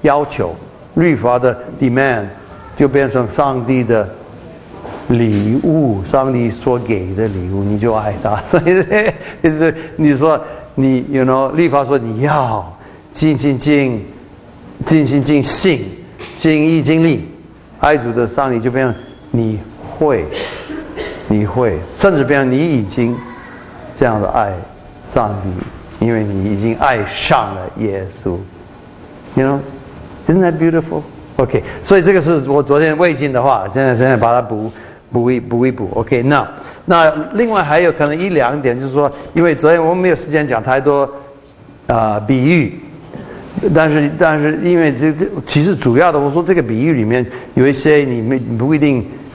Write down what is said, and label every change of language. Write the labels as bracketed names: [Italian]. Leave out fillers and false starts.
[Chinese] 啊，你不能不爱他，所以根本不需要要求你去爱他，你就发现你已经爱他，那就这个律法的要求，律法的 demand 就变成上帝的礼物，上帝所给的礼物，你就爱他，所以你说你 [English] you know [Chinese] 律法说你要尽心尽性尽意尽力爱主的上帝，就变成你会。你会，甚至变成你已经这样的爱上帝，因为你已经爱上了耶稣。 [English] You know, isn't that beautiful? [Chinese] OK， 所以这个是我昨天未尽的话，现在把它补一补。 OK， 那另外还有可能一两点，就是说，因为昨天我们没有时间讲太多比喻，但是因为这其实主要的，我说这个比喻里面有一些你不一定。